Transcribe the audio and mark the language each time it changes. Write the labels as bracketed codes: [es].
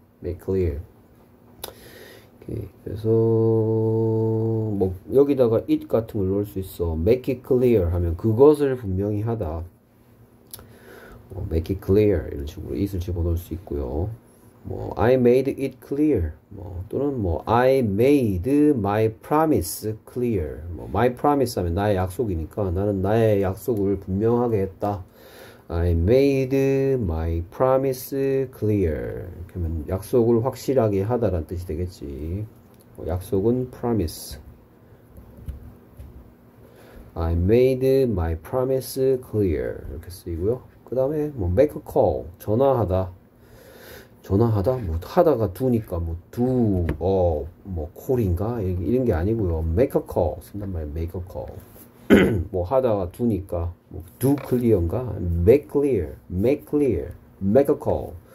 [en] make clear. 오케이. [ko] 그래서 뭐 여기다가 [en] it [ko] 같은 걸 넣을 수 있어. [en] make it clear [ko] 하면 그것을 분명히 하다. make it clear 이런 식으로 it을 집어넣을 수 있고요. [en] 뭐 I made it clear. 뭐 또는 뭐 I made my promise clear. [ko] 뭐 [en] my promise [ko] 하면 나의 약속이니까 나는 나의 약속을 분명하게 했다. [en] I made my promise clear. [ko] 그러면 약속을 확실하게 하다라는 뜻이 되겠지. 뭐 약속은 promise. [en] I made my promise clear [ko] 이렇게 쓰이고요. 그다음에 뭐 [en] make a call [ko] 전화하다. 전화하다? 뭐, 하다가 두니까, 뭐, 뭐, 콜인가? 이런 게 아니고요. [en] make a call. [ko] 쓴단 말이에요. make a call. 뭐, 하다가 두니까, 뭐, [en] do clear [ko] 인가? [en] make clear. make clear. make a call.